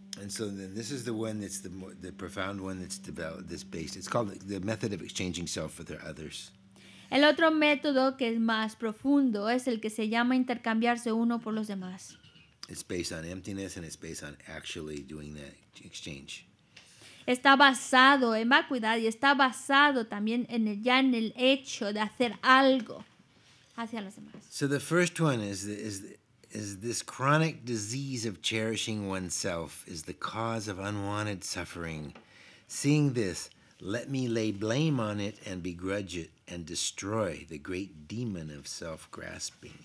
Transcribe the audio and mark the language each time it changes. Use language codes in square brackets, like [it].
[en] And so then this is the one that's the profound one that's developed, this based. It's called the method of exchanging self for their others. [es] El otro método que es más profundo es el que se llama intercambiarse uno por los demás. [en] It's based on emptiness and it's based on actually doing that exchange. [es] Está basado en vacuidad y está basado también en el, ya en el hecho de hacer algo hacia los demás. [en] So the first one is this chronic disease of cherishing oneself is the cause of unwanted suffering. Seeing this, let me lay blame on it and begrudge it and destroy the great demon of self-grasping.